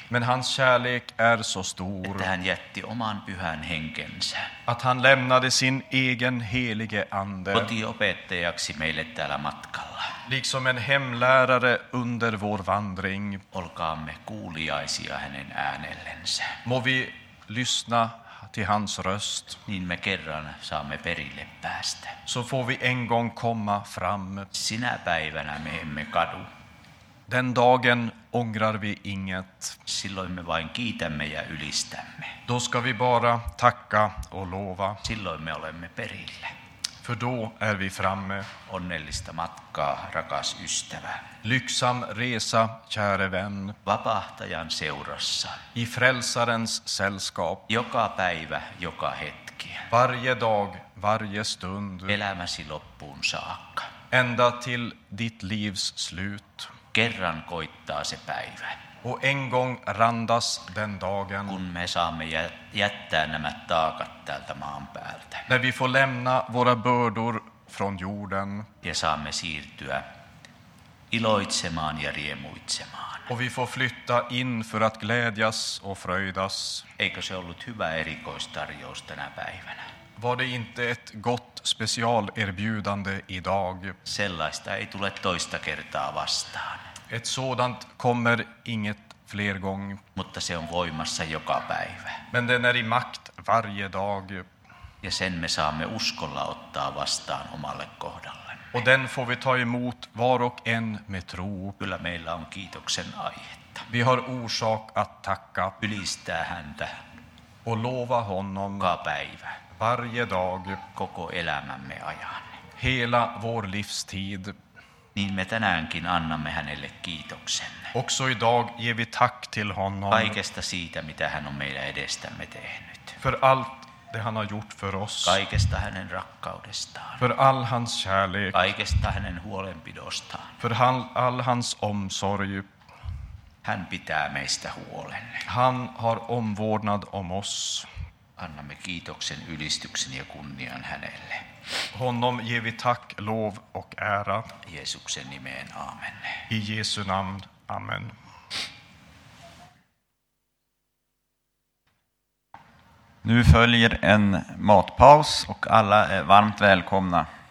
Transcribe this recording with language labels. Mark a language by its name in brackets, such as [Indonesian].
[Swedish] Men hans kärlek är så stor. [Finnish] Att han jätti oman pyhän henkensä. [Swedish] Att han lämnade sin egen helige ande. [Finnish] Kotiopettajaksi meille täällä matkalla. [Swedish] Liksom en hemlärare under vår vandring. [Finnish] Olkaamme kuuliaisia hänen äänellensä. [Swedish] Må vi lyssna till hans röst. [Finnish] Niin me kerran saamme perille päästä. [Swedish] Så får vi en gång komma fram. [Finnish] Sinä päivänä me emme kadu. [Swedish] Den dagen ångrar vi inget. [Finnish] Silloin me vain kiitämme ja ylistämme. [Swedish] Då ska vi bara tacka och lova. [Finnish] Silloin me olemme perille. [Swedish] För då är vi framme. [Finnish] Onnellista matkaa, rakas ystävä. [Swedish] Lyksam resa, käre vän. [Finnish] Vapahtajan seurassa. [Swedish] I frälsarens sällskap. [Finnish] Joka päivä, joka hetki. [Swedish] Varje dag, varje stund. [Finnish] Elämäsi loppuun saakka. [Swedish] Ända till ditt livs slut. [Finnish] kerran koittaa se päivä. [Swedish] Och en gång randas den dagen. [Finnish] Kun me saamme jättää nämä taakat tältä maan päältä. [Swedish] När vi får lämna våra bördor från jorden. [Finnish] Ja saamme siirtyä iloitsemaan ja riemuitsemaan. [Swedish] Och vi får flytta in för att glädjas och fröjdas. [Finnish] Eikö se ollut hyvä erikoistarjous tänä päivänä? [Swedish] Var det inte ett gott specialerbjudande idag? [Finnish] Sellaista ei tule toista kertaa vastaan. [Swedish] Ett sådant kommer inget fler gång. [Finnish] Mutta se on voimassa joka päivä. [Swedish] Men den är i makt varje dag. [Finnish] Ja sen me saamme uskolla ottaa vastaan omalle kohdallemme. [Swedish] Och den får vi ta emot var och en med tro. [Finnish] Kyllä meillä on kiitoksen aihetta. [Swedish] Vi har orsak att tacka. [Finnish] Ylistää häntä. [Swedish] Och lova honom. [Finnish] Joka päivä. [Swedish] Varje dag. [Finnish] Koko elämämme ajan. [Swedish] Hela vår livstid. [Finnish] Niin me tänäänkin annamme hänelle kiitoksemme. [Swedish] Också idag ger vi tack till honom. [Finnish] Kaikesta siitä, mitä hän on meidän edestämme tehnyt. [Swedish] För allt det han har gjort för oss. [Finnish] Kaikesta hänen rakkaudestaan. [Swedish] För all hans kärlek. [Finnish] Kaikesta hänen huolenpidostaan. [Swedish] För all hans omsorg. [Finnish] Hän pitää meistä huolen. [Swedish] Han har omvårdnad om oss. [Finnish] Annamme kiitoksen, ylistyksen ja kunnian hänelle. [Swedish] Honom ger vi tack, lov och ära. [Finnish] Jeesuksen nimeen, amen. [Swedish] I Jesu namn, amen. Nu följer en matpaus och alla är varmt välkomna.